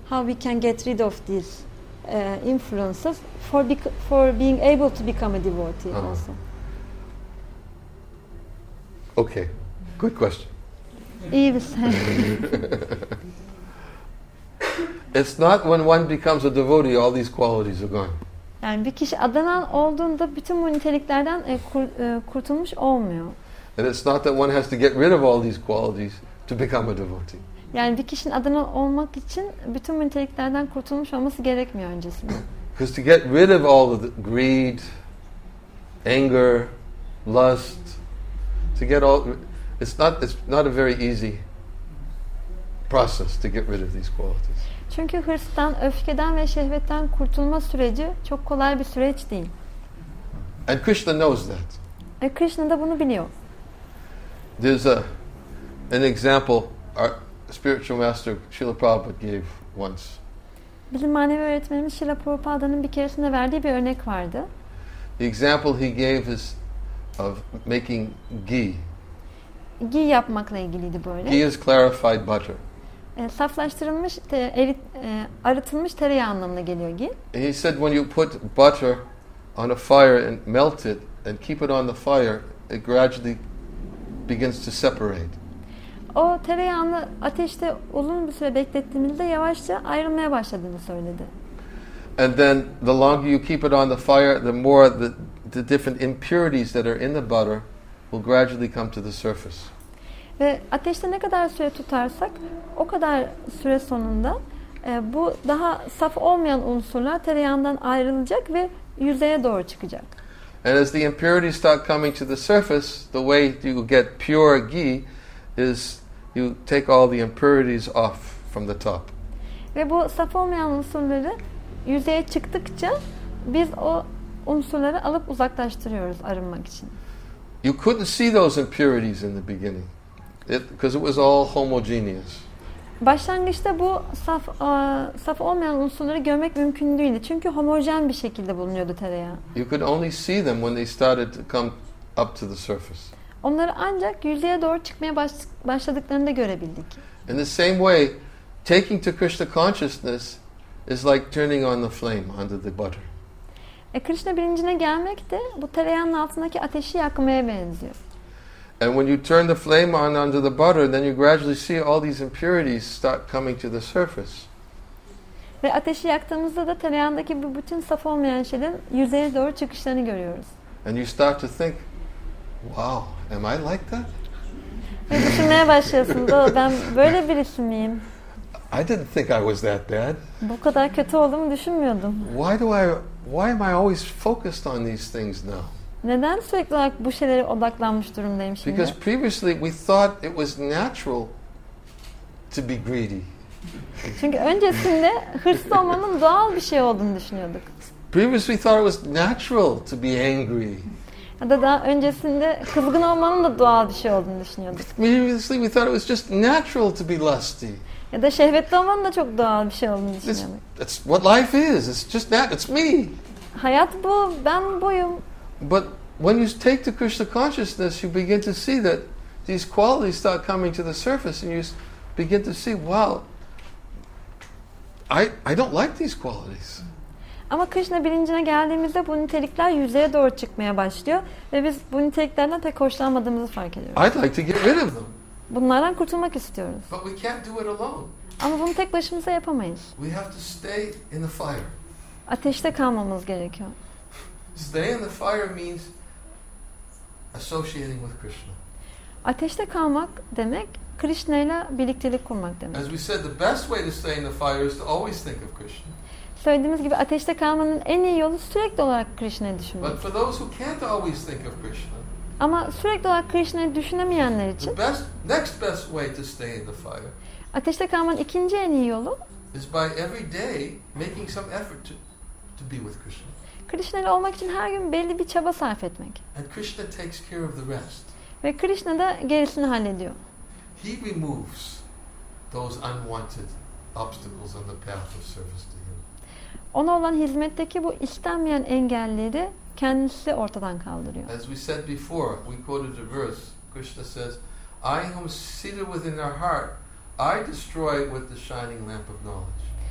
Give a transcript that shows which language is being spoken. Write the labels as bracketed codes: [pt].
[en] How we can get rid of these influences for being able to become a devotee also. Okay, good question. Yves. It's not when one becomes a devotee all these qualities are gone. [tr] Yani bir kişi adanan olduğunda bütün bu niteliklerden kurtulmuş olmuyor. [en] And it's not that one has to get rid of all these qualities to become a devotee. [tr] Yani bir kişinin adanan olmak için bütün bu niteliklerden kurtulmuş olması gerekmiyor öncesinde. [en] Because to get rid of all the greed, anger, lust, to get all, it's not a very easy process to get rid of these qualities. [tr] Çünkü hırstan, öfkeden ve şehvetten kurtulma süreci çok kolay bir süreç değil. [en] And Krishna knows that. [tr] Krishna da bunu biliyor. [en] There's an example our spiritual master Srila Prabhupada gave once. [tr] Bizim manevi öğretmenimiz Srila Prabhupada'nın bir keresinde verdiği bir örnek vardı. [en] The example he gave is of making ghee. [tr] Ghee yapmakla ilgiliydi böyle. [en] Ghee is clarified butter. [tr] Saflaştırılmış, arıtılmış tereyağı anlamına geliyor ki. [en] He said when you put butter on a fire and melt it and keep it on the fire, it gradually begins to separate. [tr] O tereyağını ateşte uzun bir süre beklettiğimizde yavaşça ayrılmaya başladığını söyledi. [en] And then the longer you keep it on the fire, the more the different impurities that are in the butter will gradually come to the surface. [tr] Ve ateşte ne kadar süre tutarsak o kadar süre sonunda bu daha saf olmayan unsurlar tereyağından ayrılacak ve yüzeye doğru çıkacak. [en] And as the impurities start coming to the surface, the way you get pure ghee is you take all the impurities off from the top. [tr] Ve bu saf olmayan unsurları yüzeye çıktıkça biz o unsurları alıp uzaklaştırıyoruz arınmak için. [en] You couldn't see those impurities in the beginning. Because it was all homogeneous. [tr] Başlangıçta bu saf saf olmayan unsurları görmek mümkün değildi. Çünkü homojen bir şekilde bulunuyordu tereyağı. [en] You could only see them when they started to come up to the surface. [tr] Onları ancak yüzeye doğru çıkmaya başladıklarında görebildik. [en] In the same way, taking to Krishna consciousness is like turning on the flame under the butter. [tr] Krishna bilincine gelmek de bu tereyağın altındaki ateşi yakmaya benziyor. [en] And when you turn the flame on under the butter, then you gradually see all these impurities start coming to the surface. [tr] Ve ateşi yaktığımızda da tereyağındaki bu bütün saf olmayan şeylerin yüzeye doğru çıkışlarını görüyoruz. [en] And you start to think, wow, am I like that? [tr] Ve düşünmeye başlıyorsun, ben böyle birisi miyim? [en] I didn't think I was that bad. [tr] Bu kadar kötü olduğumu düşünmüyordum. [en] Why am I always focused on these things now? [tr] Neden sürekli olarak bu şeylere odaklanmış durumdayım şimdi? [en] Because previously we thought it was natural to be greedy. [tr] Çünkü öncesinde hırslı olmanın doğal bir şey olduğunu düşünüyorduk. [en] Previously we thought it was natural to be angry. [tr] Ya da daha öncesinde kızgın olmanın da doğal bir şey olduğunu düşünüyorduk. [en] Previously we thought it was just natural to be lusty. [tr] Ya da şehvetli olmanın da çok doğal bir şey olduğunu düşünüyorduk. [en] It's what life is. It's just that. It's me. [tr] Hayat bu. Ben buyum. [en] But when you take to Krishna consciousness, you begin to see that these qualities start coming to the surface, and you begin to see, wow, I don't like these qualities. [tr] Ama Krishna bilincine geldiğimizde bu nitelikler yüzeye doğru çıkmaya başlıyor ve biz bu niteliklerden pek hoşlanmadığımızı fark ediyoruz. [en] I'd like to get rid of them. [tr] Bunlardan kurtulmak istiyoruz. [en] But we can't do it alone. [tr] Ama bunu tek başımıza yapamayız. [en] We have to stay in the fire. [tr] Ateşte kalmamız gerekiyor. [en] Stay in the fire means associating with Krishna. [tr] Ateşte kalmak demek Krishna ile birliktelik kurmak demek. [en] As we said, the best way to stay in the fire is to always think of Krishna. [tr] Söylediğimiz gibi ateşte kalmanın en iyi yolu sürekli olarak Krishna'yı düşünmek. [en] But for those who can't always think of Krishna. [tr] Ama sürekli olarak Krishna'yı düşünemeyenler için. [en] The next best way to stay in the fire. [tr] Ateşte kalmanın ikinci en iyi yolu [en] is by every day making some effort to be with Krishna. [tr] Krishna ile olmak için her gün belli bir çaba sarf etmek. [en] And Krishna takes care of the rest. [tr] Ve Krishna da gerisini hallediyor. [en] He removes those unwanted obstacles on the path of service to him. [tr] Ona olan hizmetteki bu istenmeyen engelleri kendisi ortadan kaldırıyor. [en] As we said before, we quoted a verse. Krishna says, "I who seated within their heart, I destroy with the shining lamp of knowledge."